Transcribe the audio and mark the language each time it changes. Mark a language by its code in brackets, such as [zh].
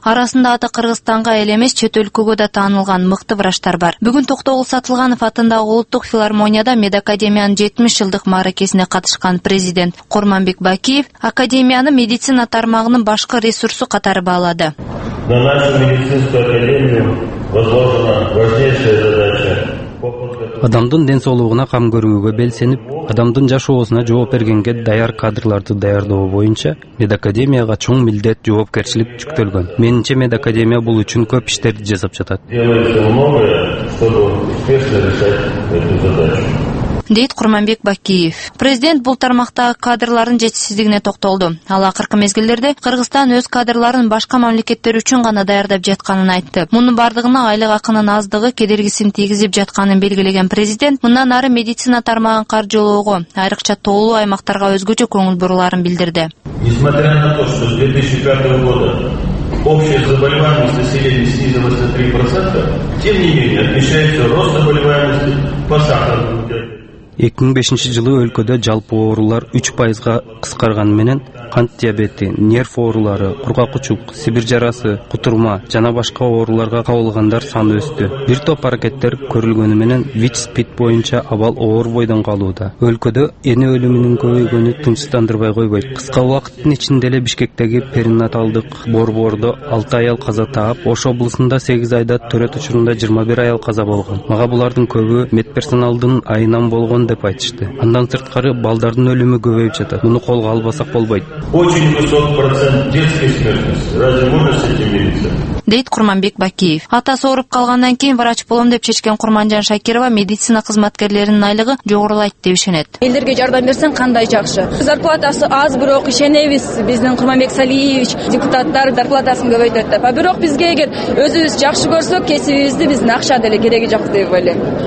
[ky] Арасында аты Кыргызстанга эле эмес, чет өлкөгө да таанылган мыкты врачтар бар. Бүгүн Токтогул Сатылганов атындагы улуттук филармонияда медакадемиянын 70 жылдык мааракесине катышкан президент Курманбек Бакиев академияны медицина тармагынын башкы ресурсу катары баалады. [ru] На нашу медицинскую академию возложена важнейшая задача. [ky] Адамдын ден соолугуна кам көрүүгө белсенип, адамдын жашоосуна жооп бергенге даяр кадрларды даярдоо боюнча медакадемияга чоң милдет, жоопкерчилик жүктөлгөн. Менинче медакадемия бул үчүн көп иштерди жасап жатат. Дейт Курманбек Бакиев. Президент бул тармактагы кадрлардын жетишсиздигине токтолду. Ал акыркы мезгилдерде Кыргызстан өз кадрларын башка мамлекеттер үчүн гана даярдап жатканын айтты. Мунун бардыгына айлык акынын аздыгы кедергисин тийгизип жатканын белгилеген президент мындан ары медицина тармагын каржылоого, айрыкча тоолуу аймактарга өзгөчө көңүл буруларын билдирди. [ru] Несмотря на то, что с 2005 года общая заболеваемость населения снизилась на 3%, тем не менее отмечается рост заболеваемости по сахарному диабету. [ky] 2005 жылы өлкөдө жалпы оорулар 3% кыскарган менен кант диабети, нерв оорулары, кургак учук, сибир жарасы, кутурма жана башка ооруларга кабылгандар саны өстү. Бир топ аракеттер көрүлгөнү менен Vich Speed боюнча абал оор бойдон калууда. Өлкөдө эне өлүмүнүн көбөйгөнү тынчсыздандырбай койбойт. Кыска убакыттын ичинде эле Бишкектеги перинаталдык борбордо 6 аял каза таап, Ош облусунда 8 айда төрөт учурунда 21 аял каза болгон. Мага булардын көбү медперсоналдын айынан болгон деп айтышты. Андан сырткары балдардын өлүмү көбөйүп жатат. Муну колго албасак болбойт. [ru] Очень высок процент детской смертности. Разве можно с этим мириться? [ky] Дейт Курманбек Бакиев. Атасы ооруп калгандан кийин врач болом деп чечкен Курманжан Шакирова медицина кызматкерлеринин айлыгы жогорулайт деп ишенет. Элдерге жардам берсең кандай жакшы. Зарплатасы аз, бирок ишенебиз биздин Курманбек Салиевич депутаттар зарплатасын көбөйтөт деп. А бирок бизге эгер өзүбүз жакшы көрсөк, кесибибизди биздин акча деле кереги жок деп ойлойм.